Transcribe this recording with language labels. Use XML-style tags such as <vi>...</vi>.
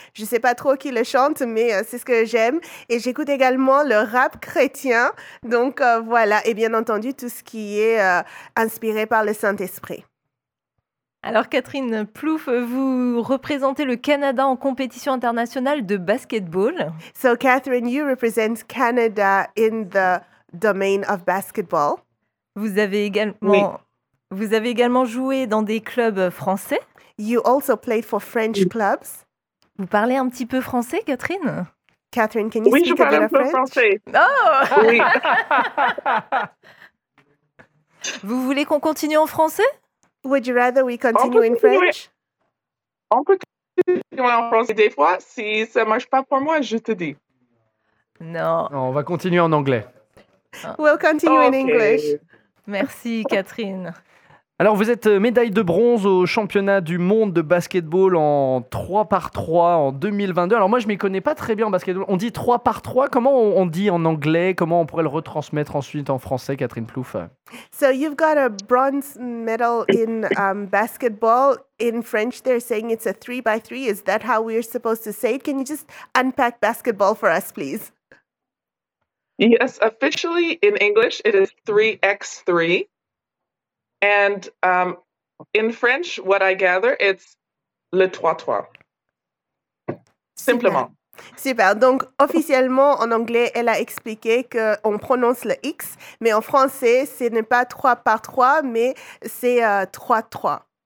<fr>Je ne sais pas trop qui le chante, mais c'est ce que j'aime. Et j'écoute également le rap chrétien. Donc, voilà. Et bien entendu, tout ce qui est inspiré par le Saint-Esprit. Alors Catherine Plouffe, vous représentez le Canada en compétition internationale de basketball.</fr> <en>So Catherine, you represent Canada in the domain of basketball.</en> <fr>Vous avez également joué dans des clubs français.</fr> <en>You also played for French clubs.</en> <fr>Vous parlez un petit peu français, Catherine?</fr> <en>Catherine, can you speak a bit of French?</en> <fr>Oui, je parle un peu français. Oh! Oui. Vous voulez qu'on continue en français?</fr> <en>Would you rather we continue in French?</en> <fr>On peut continuer en français. Des fois, si ça ne marche pas pour moi, je te dis. Non. On va continuer en anglais.</fr> <en>We'll continue in English.</en> <fr>Merci, Catherine. Alors, vous êtes médaille de bronze au championnat du monde de basketball en 3x3 en 2022. Alors, moi, je ne m'y connais pas très bien en basketball. On dit 3x3. Comment on dit en anglais? Comment on pourrait le retransmettre ensuite en français, Catherine Plouffe?</fr> <en>So, you've got a bronze medal in basketball. In French, they're saying it's a 3x3. Is that how we're supposed to say it? Can you just unpack basketball for us, please? Yes, officially in English, it is 3x3. And in French, what I gather, it's le trois-trois.</en> <fr>Simplement. Super. Donc, officiellement, en anglais, elle a expliqué qu'on prononce le X, mais en français, ce n'est pas 3x3, mais c'est 3-3.</fr>